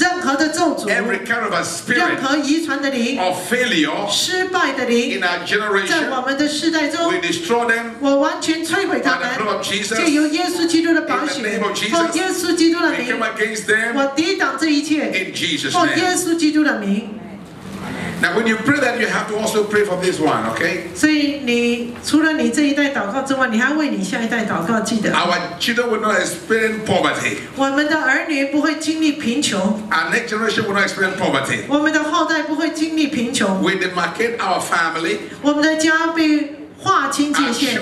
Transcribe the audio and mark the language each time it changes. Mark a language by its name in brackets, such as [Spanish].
[Chinese] 任何的咒诅 [English] Every kind of a spirit. [Chinese] 任何遗传的灵 [English] Of failure. [Chinese] 失败的灵 [English] In our generation. [Chinese] 我们的世代中 [English] we destroy them [Chinese] 我完全摧毁他们借由耶稣基督的宝血奉耶稣基督的名 [English] we come against them [Chinese] 我抵挡这一切 [English] in Jesus [Chinese] 奉耶稣基督的名 [English] Now when you pray that you have to also pray for this one, okay? [Chinese] 所以你除了你这一代祷告之外你还为你下一代祷告记得 [English] Our children will not experience poverty [Chinese] 我们的儿女不会经历贫穷 [English] Our next generation will not experience poverty [Chinese] 我们的后代不会经历贫穷 [English] We demarcate our family [Chinese] 我们的家被划清界限